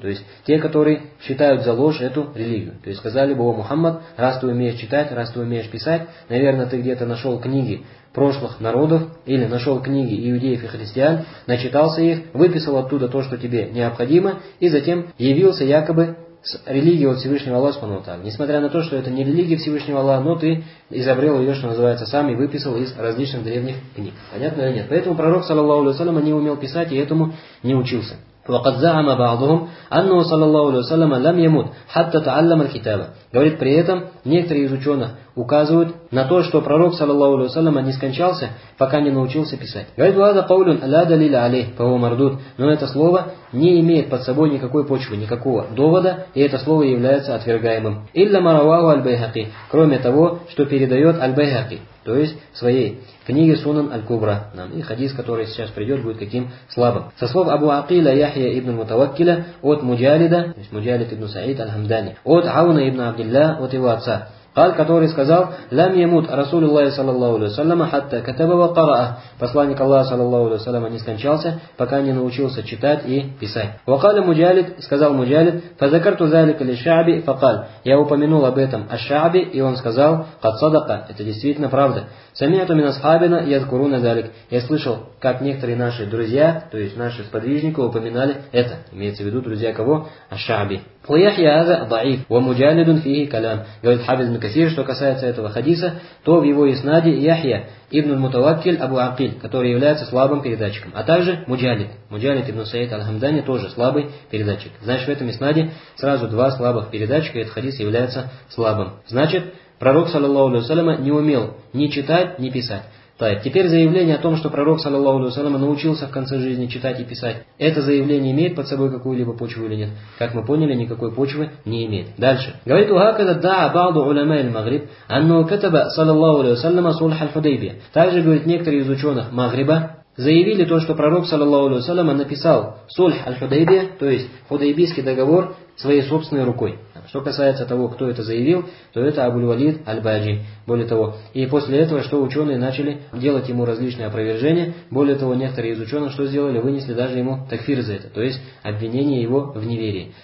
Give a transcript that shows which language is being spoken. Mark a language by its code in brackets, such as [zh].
[ru] То есть те, которые считают за ложь эту религию. То есть сказали бы: «О Мухаммад, раз ты умеешь читать, раз ты умеешь писать, наверное, ты где-то нашел книги прошлых народов или нашел книги иудеев и христиан, начитался их, выписал оттуда то, что тебе необходимо, и затем явился якобы религии от Всевышнего Аллаха Субхану ва Тааля. Несмотря на то, что это не религия Всевышнего Аллаха, но ты изобрел ее, что называется, сам и выписал из различных древних книг. Понятно или нет? Поэтому пророк, саллаллаху алейхи ва саллям, не умел писать и этому не учился. [ar] وقد زعم بعضهم أنه صلى الله عليه وسلم لم يموت حتى تعلم الكتابة. [ru] Говорит, при этом некоторые из ученых указывают на то, что пророк, саллаллаху алейхи ва саллям, не скончался, пока не научился писать. Говорит, [ar] هذا قول لا دليل عليه, [ru] по его мардуд. Но это слово не имеет под собой никакой почвы, никакого довода, и это слово является отвергаемым. [ar] إلا ما رواه البيهقي, [ru] кроме того, что передает البيهقي, то есть своей книге Сунан аль-Кубра. И хадис, который сейчас придет, будет каким слабым. Со слов Абу Акила Яхья ибн Мутаваккиля от Муджалида, то есть Муджалид ибн Саид аль-Хамдани, от Ауна ибн Абдилля, от его отца, [ar] قال, [ru] который сказал, [ar] لم يموت رسول الله صلى الله عليه وسلم حتى كتب وقرأ, [ru] посланник Аллаха [ar] صلى الله عليه وسلم [ru] не скончался, пока не научился читать и писать. [ar] وقال مجالد, [ru] сказал مجالد, [ar] فذكرت ذلك للشعب فقال, [ru] я упомянул об этом الشعب, и он сказал, [ar] قد صدق, [ru] это действительно правда. [ar] سمعت من أصحابنا يذكرون ذلك, [ru] я слышал, как некоторые наши друзья, то есть наши сподвижники, упоминали это, имеется в виду друзья кого? [ar] الشعب. ويحيى هذا ضعيف ومجالد فيه كلام. [ru] Говорит Хабиб ибн Касир, что касается этого хадиса, то в его иснаде Яхья ибн Мутаваккиль Абу Акиль, который является слабым передатчиком, а также Муджалид. Муджалид ибн Саид аль-Хамдани тоже слабый передатчик. Значит, в этом иснаде сразу два слабых передатчика, и этот хадис является слабым. Значит, пророк, саллаллаху алейхи ва саллям, не умел ни читать, ни писать. Так, теперь заявление о том, что пророк, саллаллаху алейхи ва саллям, научился в конце жизни читать и писать. Это заявление имеет под собой какую-либо почву или нет? Как мы поняли, никакой почвы не имеет. Дальше. Говорит, [ar] وَهَكَذَا دَعَ بَعْضُ عُلَمَاءِ الْمَغْرِبِ أَنَّهُ كَتَبَ صَلَى اللَّهُ عَلَيْهِ وَسَلَّمَ صُلْحَ الْحُدَيْبِيَةِ. [ru] Также, говорит, некоторые из ученых Магриба заявили то, что пророк, саллаллаху алейхи ва саллям, написал «Сульх аль-Худайбия», то есть «Худайбийский договор» своей собственной рукой. Что касается того, кто это заявил, то это Абуль-Валид Аль-Баджи. Более того, и после этого, что ученые начали делать ему различные опровержения, более того, некоторые из ученых, что сделали, вынесли даже ему такфир за это, то есть обвинение его в неверии.